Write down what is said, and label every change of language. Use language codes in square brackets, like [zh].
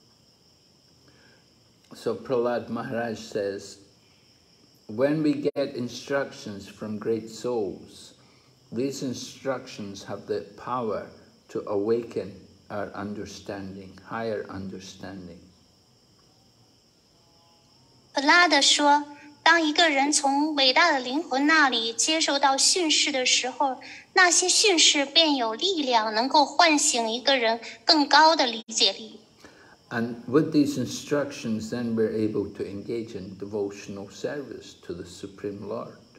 [zh] 就是在那些圣人们，还有圣洁奉献者的家庭当中的那些高度的有文化的家庭当中的子女，但是Prahlad认为自己他是一个被开化的恶魔，他不属于这个行列。 [en] So Prahlad Maharaj says, when we get instructions from great souls, these instructions have the power to awaken our understanding, higher understanding. [zh] Prahlad 说，当一个人从伟大的灵魂那里接受到训示的时候，那些训示便有力量，能够唤醒一个人更高的理解力。 [en] And with these instructions, then we're able to engage in devotional service to the Supreme Lord.